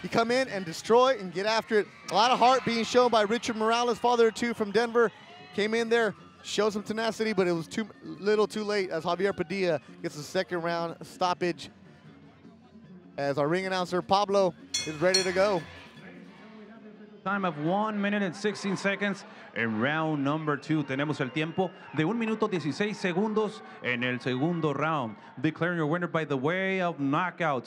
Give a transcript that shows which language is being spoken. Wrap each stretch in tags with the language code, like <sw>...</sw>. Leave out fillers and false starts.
<en>You come in and destroy and get after it. A lot of heart being shown by Richard Morales, father of two from Denver. Came in there, showed some tenacity, but it was too late as Javier Padilla gets a second round stoppage. As our ring announcer, Pablo, is ready to go. Time of 1:16 in round number 2.</en> <es>Tenemos el tiempo de 1:16 en el segundo round.</es> <en>Declaring your winner by the way of knockout.</en>